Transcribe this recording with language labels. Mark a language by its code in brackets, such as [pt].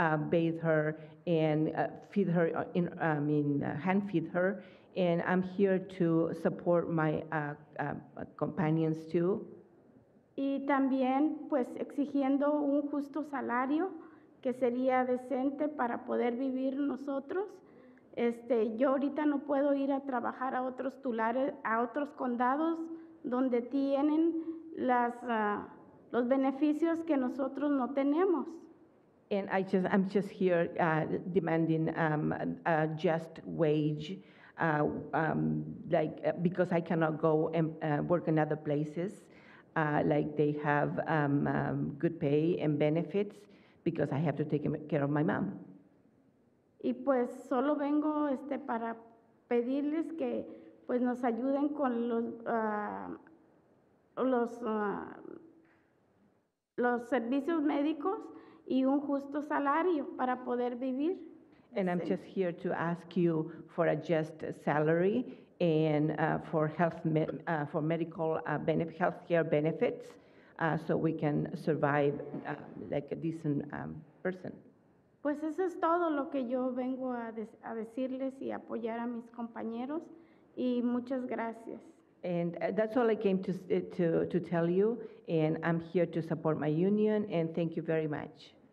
[en] Bathe her and feed her, hand feed her. And I'm here to support my companions too. [es] Y también, pues, exigiendo un justo salario que sería decente para poder vivir nosotros. Yo ahorita no puedo ir a trabajar a otros tulares, a otros condados donde tienen los beneficios que nosotros no tenemos. [en] And I'm just here demanding a just wage, because I cannot go and work in other places, like they have good pay and benefits, because I have to take care of my mom. [es] Y pues solo vengo para pedirles que pues nos ayuden con los servicios médicos. Y un justo salario para poder vivir. [en] And I'm just here to ask you for a just salary and for health for medical health care benefits so we can survive like a decent person. [es] Pues eso es todo lo que yo vengo a decirles y apoyar a mis compañeros y muchas gracias. [en] And that's all I came to tell you, and I'm here to support my union, and thank you very much.